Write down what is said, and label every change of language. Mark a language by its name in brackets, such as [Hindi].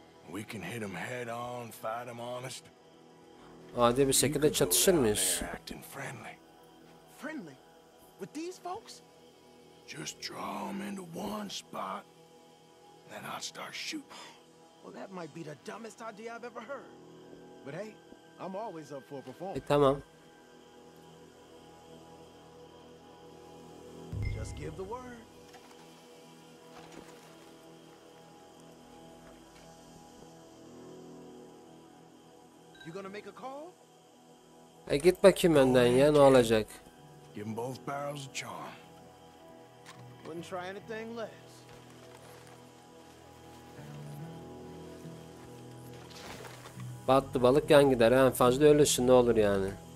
[English] We can hit them head on, fight them honest. [Turkish] Adi bir şekilde çatışır mıyız? [English] Friendly. Friendly? With these folks? Just draw them into one spot, then I'll start shooting. Well, that might be the dumbest idea I've ever heard. But hey, I'm always up for a performance. [Turkish] Tamam. [English] Give the word. You gonna make a call? [Turkish] Hey, git bakayım önden ya, ne olacak? [English] Give them both barrels a charm. Wouldn't try anything less. [Turkish] Battı balık yan gider, en fazla ölürsün, ne olur yani.